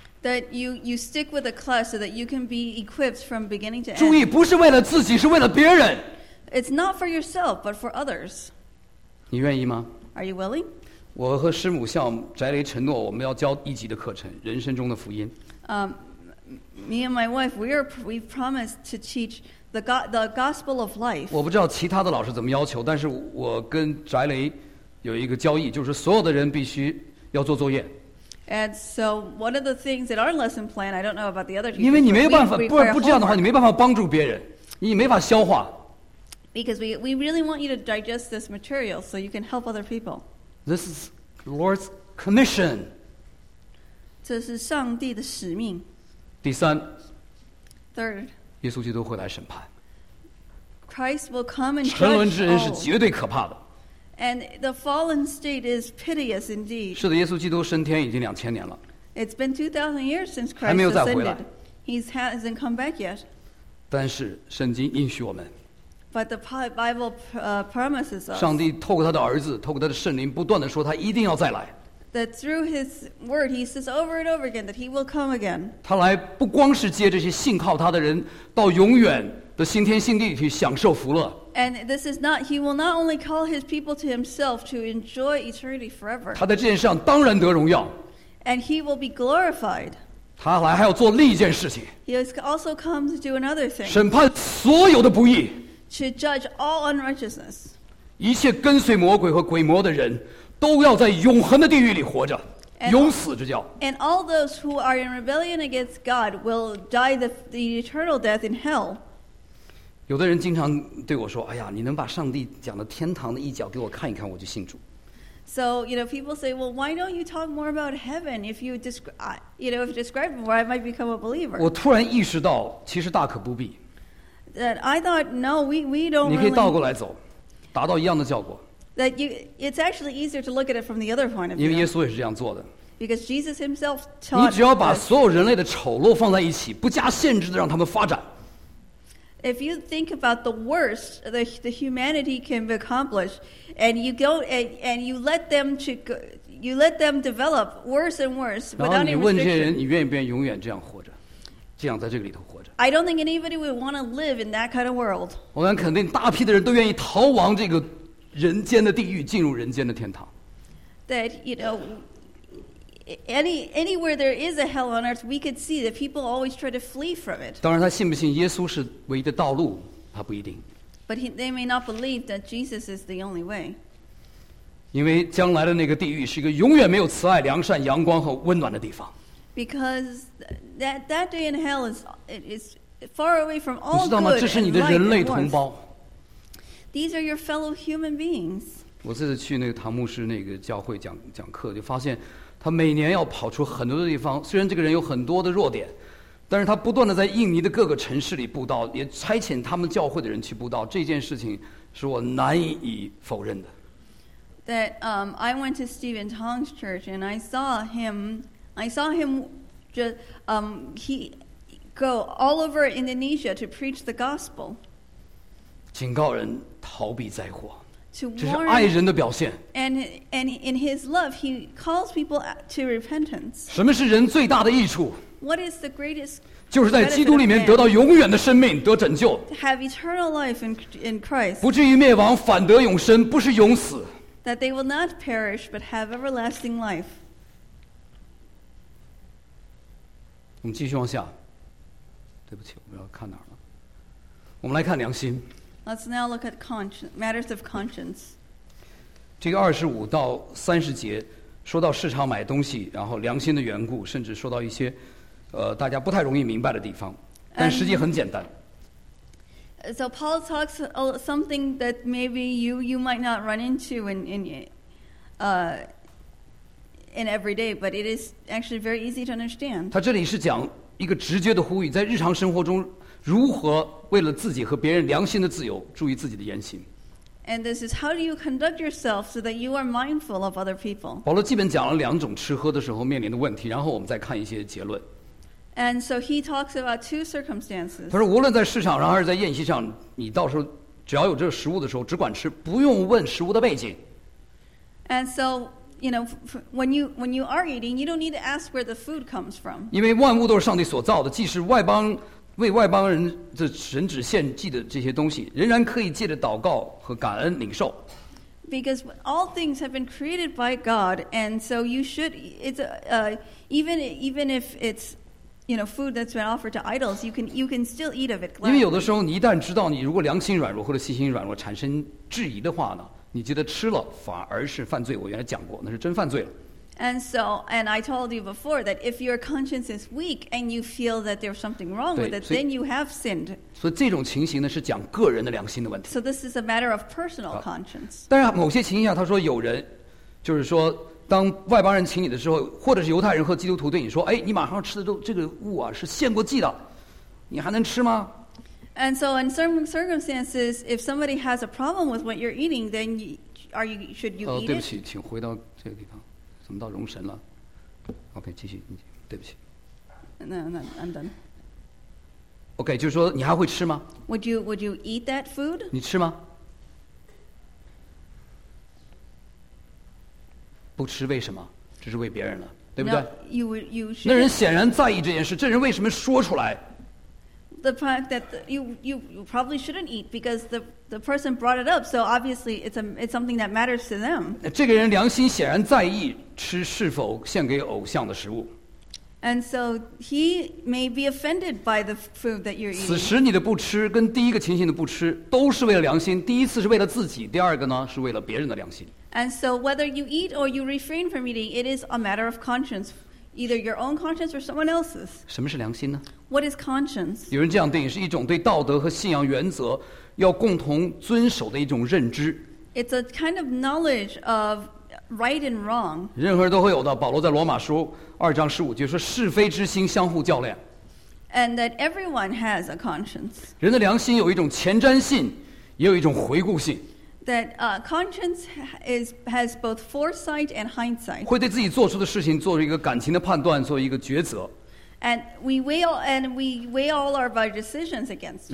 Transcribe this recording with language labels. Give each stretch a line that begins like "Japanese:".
English: That you stick with a class so that you can be equipped from beginning to end.
Chinese: 注意，不是为了自己，是为了别人。
English: It's not for yourself, but for others.
Chinese: 你愿意吗？
English: Are you willing?
Chinese: 我和师母向翟雷承诺，我们要教一级的课程《人生中的福音》。
English: Me and my wife, we promised to teach the gospel of life.
Chinese: 我不知道其他的老师怎么要求，但是我跟翟雷有一个交易，就是所有的人必须要做作业。
English: And so one of the things in our lesson plan, I don't know about the other teachers.
Chinese: 因为你没有办法，不这样的话，你没办法帮助别人，你没法消化。
English: Because we really want you to digest this material so you can help other people. This is the Lord's commission.
Chinese: 这是上帝的使命。第三。
English: Third.
Chinese: 耶稣基督会来审判。
English: Christ will come and judge.
Chinese: 沉沦之人是绝对可怕的。
English: And the fallen state is piteous indeed.
Chinese: 是的，耶稣基督升天已经2000年了。
English: It's been 2,000 years since Christ ascended.
Chinese: 还没有再回来。
English: He hasn't come back yet.
Chinese: 但是圣经应许我们。
English: But the Bible promises us.
Chinese: 上帝透过他的儿子，透过他的圣灵，不断地说他一定要再来。
English: That through His Word, He says over and over again that He will come again.
Chinese: 他来不光是接这些信靠他的人到永远的新天新地去享受福乐。
English: And this is not He will not only call His people to Himself to enjoy eternity forever.
Chinese: 他在这件事上当然得荣耀。
English: And He will be glorified.
Chinese: 他来还要做另一件事情。
English: He has also come to do another thing.
Chinese: 审判所有的不义。
English: To judge all unrighteousness.
Chinese: 一切跟随魔鬼和鬼魔的人都要在永恒的地狱里活着
English: and,
Chinese: 永死之教
English: And all those who are in rebellion against God will die the eternal death in hell.
Chinese: 有的人经常对我说哎呀你能把上帝讲的天堂的一角给我看一看我就信主
English: So, you know, people say, well, why don't you talk more about heaven if you, you know, if you describe more, I might become a believer.
Chinese: 我突然意识到其实大可不必
English: That I thought, no, we don't really...
Chinese: 你可以倒过来走，达到一样的效果。
English: That you, it's actually easier to look at it from the other point of view.
Chinese: 因为耶稣也是这样做的。
English: Because Jesus himself taught...
Chinese: 你只要把所有人类的丑陋放在一起，不加限制地让他们发展。
English: If you think about the worst that the humanity can accomplish, and you go and you let them to go, you let them develop worse and worse without any restriction.
Chinese: 然后你问这些人，你愿不愿意永远这样活着？这样在这个里头活着。
English: I don't think anybody would want to live in that kind of world.
Chinese: 我敢肯定，大批的人都愿意逃亡这个人间的地狱，进入人间的天堂。
English: That you know, anywhere there is a hell on earth, we could see that people always try to flee from it.
Chinese: 当然他信不信耶稣是唯一的道路，他不一定。
English: But they may not believe that Jesus is the only way.
Chinese: 因为将来的那个地狱是一个永远没有慈爱、良善、阳光和温暖的地方。
English: Because that day in hell is far away from all good.
Chinese: 你知道吗？这是你的人类同胞。
English: These are your fellow human beings.
Chinese: 我这次去那个唐牧师那个教会讲课，就发现他每年要跑出很多的地方。虽然这个人有很多的弱点，但是他不断的在印尼的各个城市里布道，也差遣他们教会的人去布道。这件事情是我难以否认的。
English: That I went to Stephen Tong's church and I saw him just he go all over Indonesia to preach the gospel.
Chinese: 警告人逃避灾祸。
English: To warn,
Chinese: 这是爱人的表现。
English: And in his love, he calls people to repentance.
Chinese: 什么是人最大的益处？
English: What is the greatest?
Chinese: 就是在基督里面得到永远的生命，得拯救。
English: Have eternal life in Christ.
Chinese: 不至于灭亡，反得永生，不是永死。
English: That they will not perish, but have everlasting life.
Chinese: 我们继续往下。对不起，我们要看哪儿了？我们来看良心。
English: Let's now look at conscience, matters of conscience.
Chinese: 这个25-30节说到市场买东西，然后良心的缘故，甚至说到一些大家不太容易明白的地方，但实际很简单。
English: So Paul talks something that maybe you might not run into in everyday, but it is actually very easy to understand.
Chinese: 他这里是讲一个直接的呼吁，在日常生活中如何为了自己和别人良心的自由，注意自己的言行。
English: And this is how do you conduct yourself so that you are mindful of other people.
Chinese: 保罗基本讲了两种吃喝的时候面临的问题，然后我们再看一些结论。
English: And so he talks about two circumstances.
Chinese: 他说无论在市场上还是在宴席上，你到时候只要有这个食物的时候，只管吃，不用问食物的背景。
English: And so, you know, when you are eating, you don't need to ask where the food comes from.
Chinese: 因为万物都是上帝所造的，即使外邦为外邦人的神旨献祭的这些东西，仍然可以借着祷告和感恩领受。
English: Because all things have been created by God, and so you should. It's even if it's, you know, food that's been offered to idols, you can still eat of it.
Chinese: 因为有的时候，你一旦知道你如果良心软弱或者信心软弱产生质疑的话呢，你觉得吃了反而是犯罪。我原来讲过，那是真犯罪了。
English: And I told you before that if your conscience is weak and you feel that there's something wrong with it, then you have sinned.
Chinese: 所以这种情形呢是讲个人的良心的问题。
English: So this is a matter of personal conscience.
Chinese: 但是某些情形下，他说有人，就是说，当外邦人请你的时候，或者是犹太人和基督徒对你说，哎，你马上吃的这个物啊是献过祭的，你还能吃吗？
English: And so in certain circumstances, if somebody has a problem with what you're eating, then should you eat it?
Chinese: 对不起，请回到这个地方。怎么到容神了 ？OK， 继续。对不起。
English: No, I'm done.
Chinese: OK， 就是说你还会吃吗
English: ？Would you eat that food？
Chinese: 你吃吗？不吃为什么？这是为别人了，对不对
English: ？No, you should.
Chinese: 那人显然在意这件事，这人为什么说出来
English: ？The fact that you probably shouldn't eat because the person brought it up, so obviously it's something that matters to them.
Chinese: 这个人良心显然在意吃是否献给偶像的食物。
English: And so he may be offended by the food that you're eating.
Chinese: 此时你的不吃跟第一个情形的不吃都是为了良心，第一次是为了自己，第二个呢是为了别人的良心。
English: And so whether you eat or you refrain from eating, it is a matter of conscience, either your own conscience or someone else's.
Chinese: 什么是良心呢？
English: What is conscience?
Chinese: 有人这样定义，是一种对道德和信仰原则要共同遵守的一种认知。
English: It's a kind of knowledge of right and wrong.
Chinese: 任何人都会有的。保罗在罗马书2:15说：“是非之心相互较量。”
English: And that everyone has a conscience.
Chinese: 人的良心有一种前瞻性，也有一种回顾性。
English: That conscience has both foresight and hindsight.
Chinese: 会对自己做出的事情做一个感情的判断，做一个抉择。
English: And we weigh all of our decisions against it.